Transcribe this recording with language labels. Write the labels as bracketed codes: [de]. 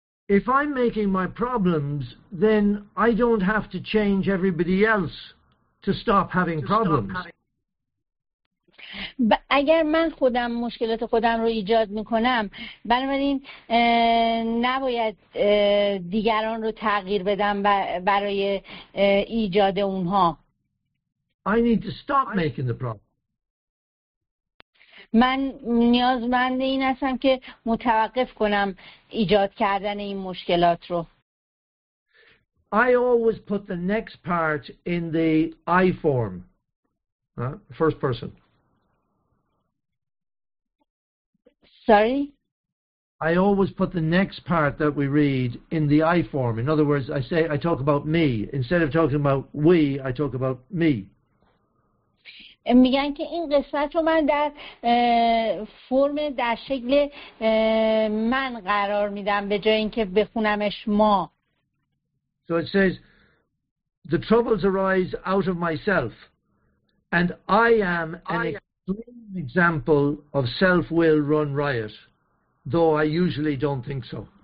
[en] If I'm making my problems, then I don't have to change everybody else to stop having problems. [fa] اگر من خودم مشکلات خودم رو ایجاد میکنم، بنابراین نباید دیگران رو تغییر بدم برای ایجاد اونها. [en] I need to stop making the problem. [fa] من نیازمند این هستم که متوقف کنم ایجاد کردن این مشکلات رو. [en] I always put the next part in the I form. First person. Sorry? I always put the next part that we read in the I form. In other words, I talk about me. Instead of talking about we, I talk about me. [fa] میگن که این قسمت رو من در فرم در شکل من قرار میدم به جای اینکه بخونمش ما. [en] So it says the troubles arise out of myself and I am an extreme example of self-will run riot though I usually don't think so.